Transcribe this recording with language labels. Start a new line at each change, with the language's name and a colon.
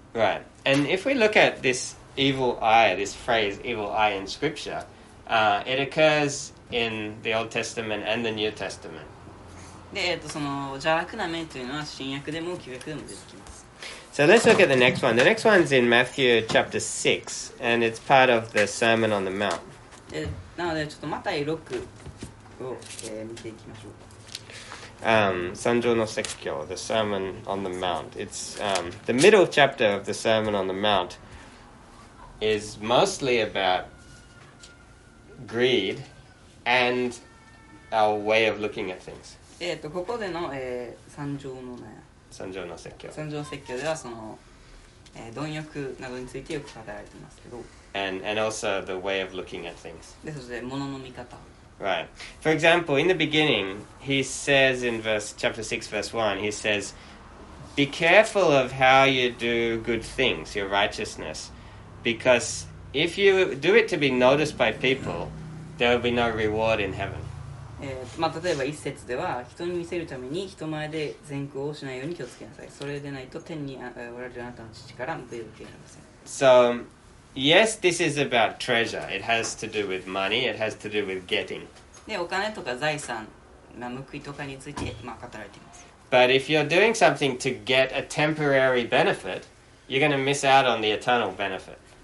English: Right, and if we look at this evil eye, this phrase, evil eye in scripture, it occurs in the Old Testament and the New Testament.
Japanese: で、その邪悪な面というのは新約でも旧約でも出てきます。
English: So let's look at the next one. The next one's in Matthew chapter 6, and it's part of the Sermon on the Mount.
Japanese: で、なのでちょっとマタイ6を、見ていきましょう。
English: Sanjo no Sekkyo, the Sermon on the Mount. It's the middle chapter of the Sermon on the Mount is mostly about greed and our way of looking at things.
Japanese: ここでの、Sanjo no Sanjo no Sekkyo. Sanjo no Sekkyo ではその、貪欲などについてよく語られていますけど。
English: And also the way of looking at things.
Japanese: で、そして物の見方。
English: Right. For example, in the beginning, he says in verse chapter 6, verse 1, he says, Be careful of how you do good things, your righteousness, because if you do it to be noticed by people, there will be no reward in heaven.
Japanese: まあ、例えば一節では、人に見せるために人前で善行をしないように気をつけなさい。それでないと天におられるあなたの父から報いを受けられません。
English: So... Yes, this is about treasure. It has to do with money. It has to do with getting.
Japanese: で、お金とか財産、まあ、報いとかについて、まあ、語られています。
English: But if you're doing something to get a temporary benefit, you're going to miss out on the eternal benefit.